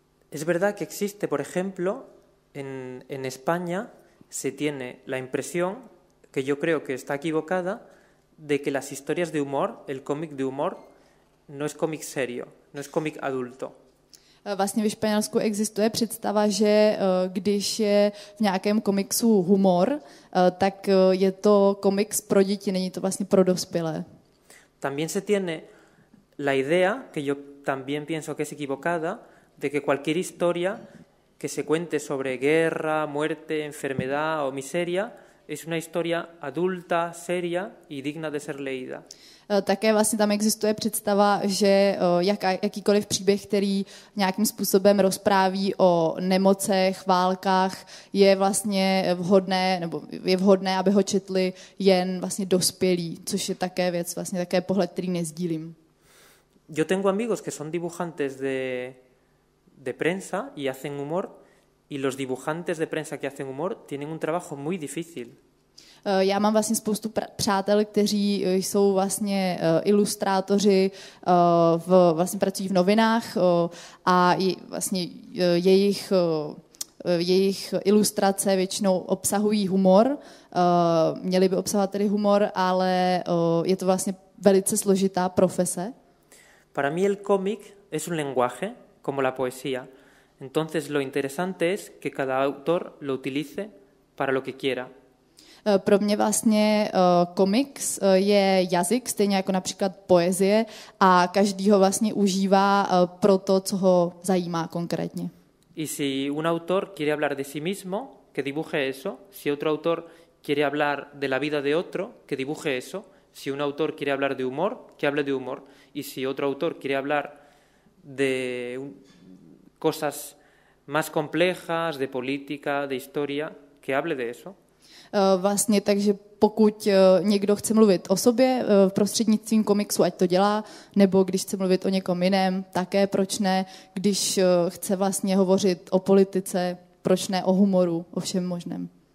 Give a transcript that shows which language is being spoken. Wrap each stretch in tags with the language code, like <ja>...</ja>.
<es>Es verdad que existe, por ejemplo, en España se tiene la impresión, que yo creo que está equivocada, de que las historias de humor, el cómic de humor, no es cómic serio, no es cómic adulto.</es> <cs>Vlastně ve Španělsku existuje představa, že když je v nějakém komiksu humor, tak je to komiks pro děti, není to vlastně pro dospělé.</cs> <es>También se tiene la idea, que yo también pienso que es equivocada, de que cualquier historia que se cuente sobre guerra, muerte, enfermedad o miseria, es una historia adulta, seria y digna de ser leída.</es> <cs>Také vlastně tam existuje představa, že jakýkoliv příběh, který nějakým způsobem rozpráví o nemocech, válkách, je vlastně vhodné, nebo je vhodné, aby ho četli jen vlastně dospělí, což je také věc, vlastně také pohled, který nezdílím.</cs> <es>Yo tengo amigos que son dibujantes de prensa y hacen humor. Y los dibujantes de prensa que hacen humor tienen un trabajo muy difícil.</es> <cs>Já mám vlastně spoustu přátel, kteří jsou vlastně ilustrátoři, vlastně pracují v novinách a vlastně jejich ilustrace většinou obsahují humor, měli by obsahovat tedy humor, ale je to vlastně velice složitá profese.</cs> <es>Para mí el cómic es un lenguaje como la poesía. Entonces lo interesante es que cada autor lo utilice para lo que quiera.</es> <cs>Pro mě vlastně komiks je jazyk, stejně jako například poezie, a každý ho vlastně užívá pro to, co ho zajímá konkrétně.</cs> <es>Y si un autor quiere hablar de sí mismo, que dibuje eso. Si otro autor quiere hablar de la vida de otro, que dibuje eso. Si un autor quiere hablar de humor, que hable de humor. Y si otro autor quiere hablar de cosas más complejas, de política, de historia, que hable de eso.</es> <cs>Vlastně tak, že pokud někdo chce mluvit o sobě prostřednictvím komiksu, ať to dělá, nebo když chce mluvit o někom jiném, také proč ne, když chce vlastně hovořit o politice, proč ne o humoru, o všem možném.</cs>